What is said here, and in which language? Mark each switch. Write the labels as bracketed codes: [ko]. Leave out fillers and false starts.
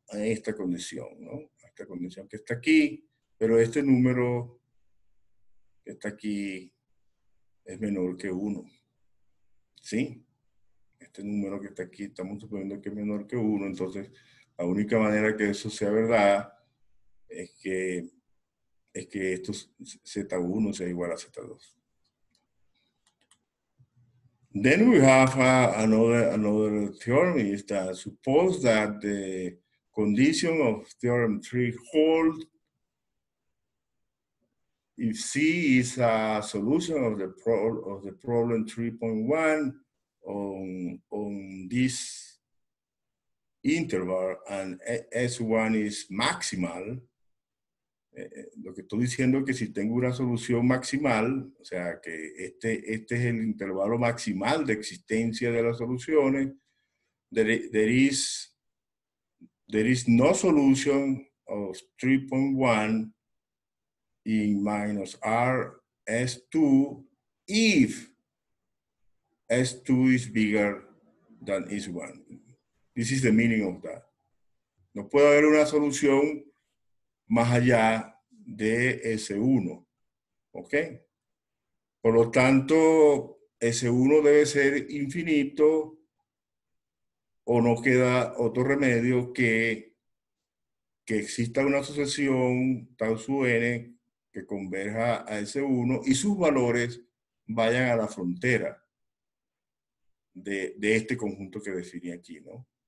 [es] a esta conexión, ¿no? A esta conexión que está aquí, pero este número que está aquí es menor que 1. ¿Sí? Este número que está aquí, estamos suponiendo que es menor que 1, entonces la única manera que eso sea verdad es que esto Z1 sea igual a Z2. [en] Then we have another theorem is that suppose that the condition of theorem 3 holds if C is a solution of the problem 3.1 on this interval and S1 is maximal. [es] Lo que estoy diciendo es que si tengo una solución maximal, o sea, que este es el intervalo maximal de existencia de las soluciones, [en] there is no solution of 3.1 in minus R S2 if S2 is bigger than S1. This is the meaning of that. [es] No puede haber una solución más allá de S1, ¿ok? Por lo tanto, S1 debe ser infinito o no queda otro remedio que exista una sucesión tau sub n que converja a S1 y sus valores vayan a la frontera de este conjunto que definí aquí, ¿no?